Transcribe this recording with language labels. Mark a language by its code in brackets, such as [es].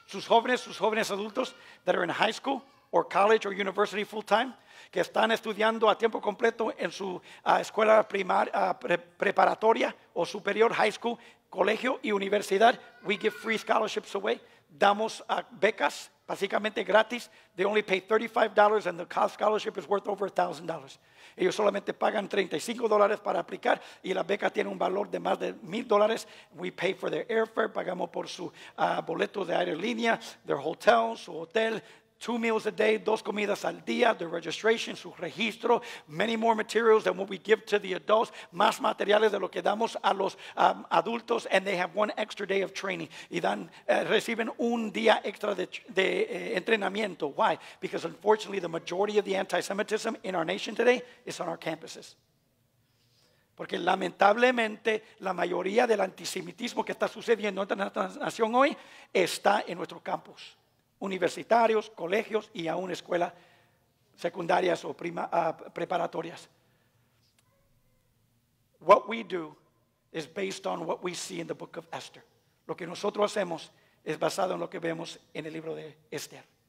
[es] Sus jóvenes adultos [en] that are in high school or college or university full time, [es] que están estudiando a tiempo completo en su escuela preparatoria o superior, high school, colegio y universidad. [en] We give free scholarships away. [es] Damos becas. Básicamente gratis. [en] They only pay $35 and the cost scholarship is worth over $1,000. [es] Ellos solamente pagan $35 para aplicar y la beca tiene un valor de más de $1,000. [en] We pay for their airfare, [es] pagamos por su boleto de aerolínea, [en] their hotel, [es] su hotel, [en] 2 meals a day, [es] 2 comidas al día, [en] their registration, [es] su registro, [en] many more materials than what we give to the adults, [es] más materiales de lo que damos a los adultos, [en] and they have one extra day of training. [es] Y dan, reciben un día extra de entrenamiento. [en] Why? Because unfortunately, the majority of the anti-Semitism in our nation today is on our campuses. [es] Porque lamentablemente, la mayoría del antisemitismo que está sucediendo en nuestra nación hoy está en nuestros campus. Universitarios, colegios y aún escuelas secundarias o preparatorias. [en] What we do is based on what we see in the book of Esther. [es] Lo que nosotros hacemos es basado en lo que vemos en el libro de Esther.